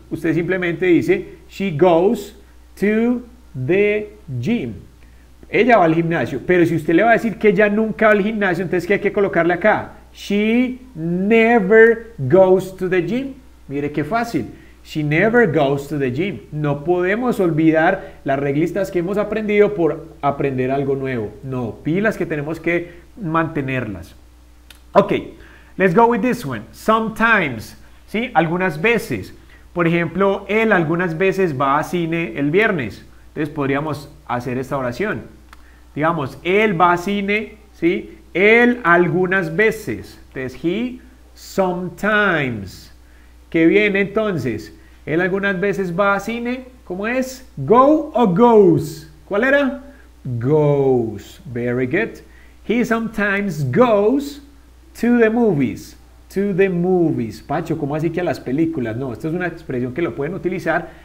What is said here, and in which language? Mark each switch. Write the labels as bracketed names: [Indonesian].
[Spanish] Usted simplemente dice, she goes to the gym. Ella va al gimnasio. Pero si usted le va a decir que ella nunca va al gimnasio, entonces, ¿qué hay que colocarle acá? [English] She never goes to the gym. Mire qué fácil. [Spanish] She never goes to the gym. No podemos olvidar las reglistas que hemos aprendido por aprender algo nuevo. No, pilas que tenemos que mantenerlas. Ok. Let's go with this one. Sometimes, ¿sí? Algunas veces. Por ejemplo, él algunas veces va a cine el viernes. Entonces podríamos hacer esta oración. Digamos, él va a cine, ¿sí? Él algunas veces. Entonces, he sometimes. ¿Qué viene entonces? Él algunas veces va a cine. ¿Cómo es? [English] Go o goes. ¿Cuál era? Goes. Very good. He sometimes goes to the movies, to the movies. [Spanish] Pacho, ¿cómo así que a las películas? No, esta es una expresión que lo pueden utilizar.